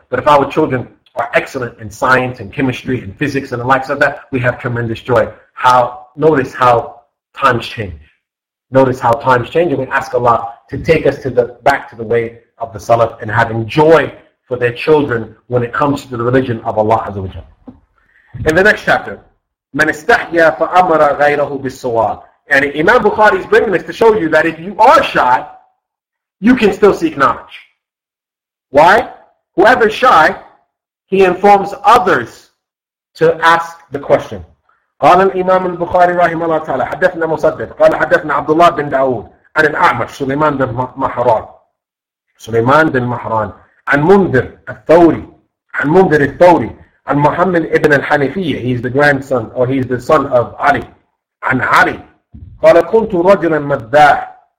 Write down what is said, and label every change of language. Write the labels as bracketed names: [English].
[English] But if our children are excellent in science and chemistry and physics and the likes of that, we have tremendous joy. Notice how times change. Notice how times change. And we ask Allah to take us back to the way of the Salaf and having joy for their children when it comes to the religion of Allah Azza wa Jalla. In the next chapter, [Arabic] مَنْ اسْتَحْيَا فَأَمَرَ غَيْرَهُ بِالسَّوَادِ. [English] And Imam Bukhari is bringing this to show you that if you are shy, you can still seek knowledge. Why? Whoever is shy, he informs others to ask the question. [Arabic] قال الإمام البخاري رحمه الله تعالى حدثنا مسدد قال حدثنا عبد الله بن داود عن الأعمش سليمان بن محران سليمان بن محران عن منذر الثوري عن منذر الثوري عن محمد ابن الحنفية [English] he's the grandson or he's the son of Ali [Arabic] عن علي قال كنت رجلا مذاع